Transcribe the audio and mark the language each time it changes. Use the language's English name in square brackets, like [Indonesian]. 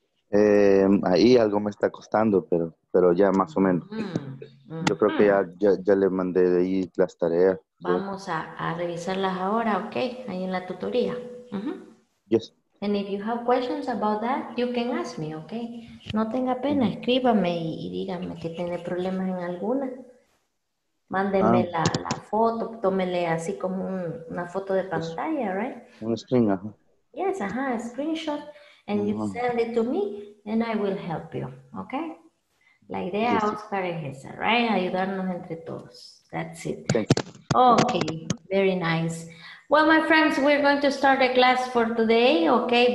[Spanish] Ahí algo me está costando, pero ya más o menos. Yo creo que ya le mandé de ahí las tareas. Vamos a revisarlas ahora, ok, ahí en la tutoría. [English] Yes. And if you have questions about that, you can ask me, ok. [Spanish] No tenga pena, escríbame y dígame que tiene problemas en alguna. Mándenme la foto, tómele así como una foto de pantalla, right? Un screen, ajá. [English] Yes, ajá, a screenshot. And you send it to me, and I will help you, ok. [Spanish] La idea, yes. Oscar, es esa, right? Ayudarnos entre todos. [English] That's it. Thank you. Okay, very nice. Well, my friends, we're going to start a class for today, okay?